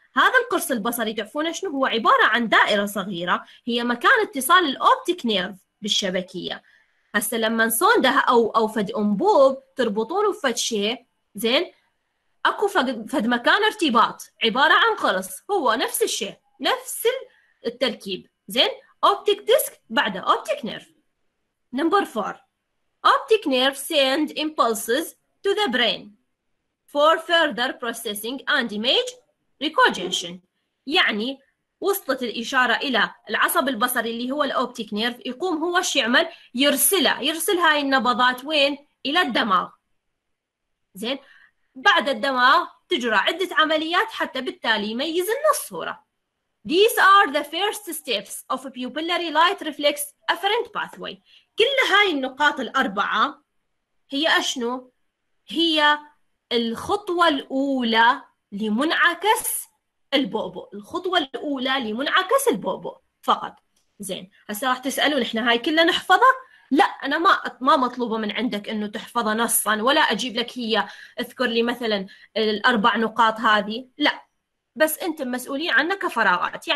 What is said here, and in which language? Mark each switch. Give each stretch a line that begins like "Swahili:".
Arabic: هذا القرص البصري تعرفون شنو هو؟ عبارة عن دائرة صغيرة، هي مكان اتصال الأوبتيك نيرف بالشبكية. هسا لما صوندها أو فد أنبوب تربطونه بفد شيء، زين، أكو فد مكان ارتباط عبارة عن قرص، هو نفس الشيء، نفس التركيب. زين، أوبتيك ديسك بعده أوبتيك نيرف.
English: Number four, optic nerve send impulses to the brain for further processing and image recognition.
Arabic: يعني وصلت الإشارة إلى العصب البصري اللي هو الأوبتيك نيرف، يقوم هو شو يعمل؟ يرسل هاي النبضات وين؟ إلى الدماغ. زين، بعد الدماغ تجرى عدة عمليات حتى بالتالي يميز لنا الصورة.
English: These are the first steps of a pupillary light reflex afferent pathway.
Arabic: كل هاي النقاط الأربعة هي أشنو؟ هي الخطوة الأولى لمنعكس البؤبؤ، الخطوة الأولى لمنعكس البؤبؤ فقط. زين، هسا راح تسألون إحنا هاي كلها نحفظها؟ لا، أنا ما مطلوبة من عندك إنه تحفظها نصاً، ولا أجيب لك هي اذكر لي مثلاً الأربع نقاط هذه، لا، بس أنت مسؤولين عنك كفراغات.